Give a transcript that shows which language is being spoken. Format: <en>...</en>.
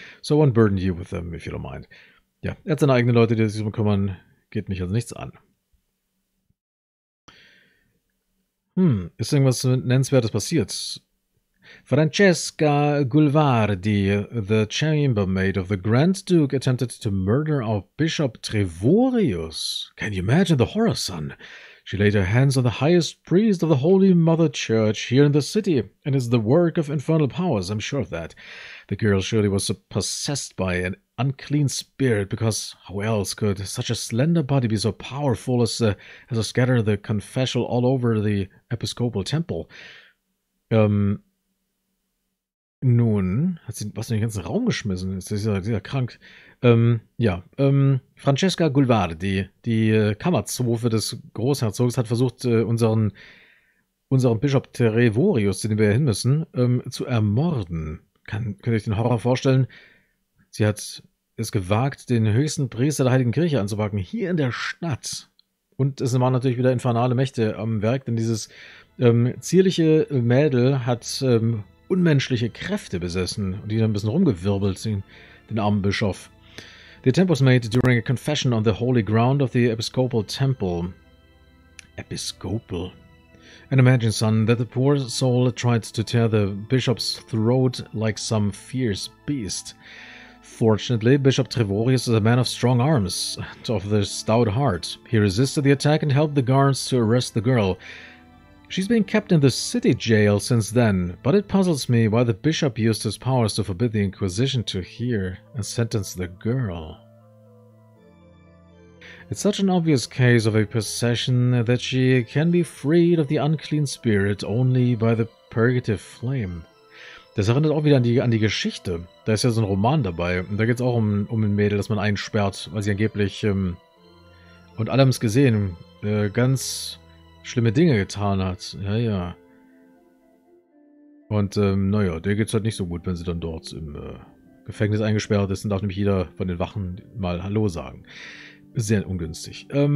<en>So I won't burden you with them, if you don't mind.</en> <de>Ja, er hat seine eigenen Leute, die sich darum kümmern. Geht mich also nichts an. Ist irgendwas Nennenswertes passiert?</de> <en>Francesca Gulvardi, the chambermaid of the Grand Duke, attempted to murder our Bishop Trevorius. Can you imagine the horror, son? She laid her hands on the highest priest of the Holy Mother Church here in the city, and is the work of infernal powers, I'm sure of that. The girl surely was possessed by an unclean spirit, because how else could such a slender body be so powerful as to scatter the confessional all over the Episcopal Temple?</en> <de>Nun, hat sie was in den ganzen Raum geschmissen? Ist dieser krank? Francesca Gulvardi, die Kammerzofe des Großherzogs, hat versucht, unseren Bischof Trevorius, den wir ja hin müssen, zu ermorden. Könnt ihr euch den Horror vorstellen? Sie hat es gewagt, den höchsten Priester der Heiligen Kirche anzupacken, hier in der Stadt. Und es waren natürlich wieder infernale Mächte am Werk, denn dieses zierliche Mädel hat unmenschliche Kräfte besessen und die dann ein bisschen rumgewirbelt sind, den armen Bischof.</de> <en>The attempt was made during a confession on the holy ground of the Episcopal Temple. Episcopal. And imagine, son, that the poor soul tried to tear the bishop's throat like some fierce beast. Fortunately, Bishop Trevorius is a man of strong arms and of the stout heart. He resisted the attack and helped the guards to arrest the girl. She's been kept in the city jail since then, but it puzzles me why the bishop used his powers to forbid the Inquisition to hear and sentence the girl. It's such an obvious case of a possession that she can be freed of the unclean spirit only by the purgative flame.</en> <de>Das erinnert auch wieder an die Geschichte. Da ist ja so ein Roman dabei. Und da geht es auch um ein Mädel, das man einsperrt, weil sie angeblich, und alle haben es gesehen, ganz schlimme Dinge getan hat. Ja, ja. Und naja, der geht es halt nicht so gut, wenn sie dann dort im Gefängnis eingesperrt ist. Dann darf nämlich jeder von den Wachen mal Hallo sagen. Sehr ungünstig.</de>